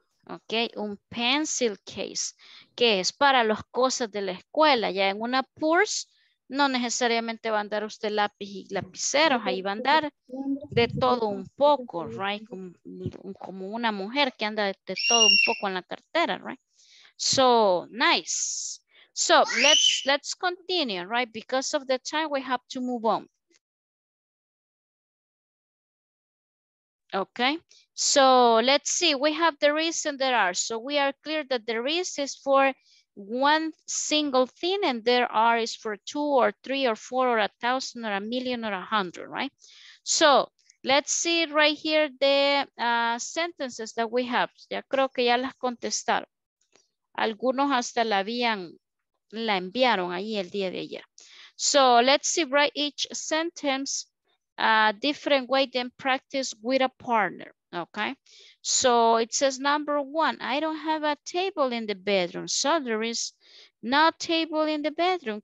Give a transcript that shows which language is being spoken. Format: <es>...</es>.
<es>Ok, un pencil case, que es para las cosas de la escuela. Ya en una purse no necesariamente va a andar usted lápiz y lapiceros, ahí va a andar de todo un poco, right? Como una mujer que anda de todo un poco en la cartera, right?</es> <en>So, nice. So, let's continue, right? Because of the time, we have to move on. Okay, so let's see, we have the is and there are. So we are clear that the is for one single thing and there are is for two or three or four or 1,000 or 1,000,000 or 100, right? So let's see right here the sentences that we have.</en> <es>Ya creo que ya las contestaron. Algunos hasta la enviaron ahí el día de ayer.</es> <en>So let's see, write each sentence a different way than practice with a partner, okay? So it says number one, I don't have a table in the bedroom. So there is no table in the bedroom.</en>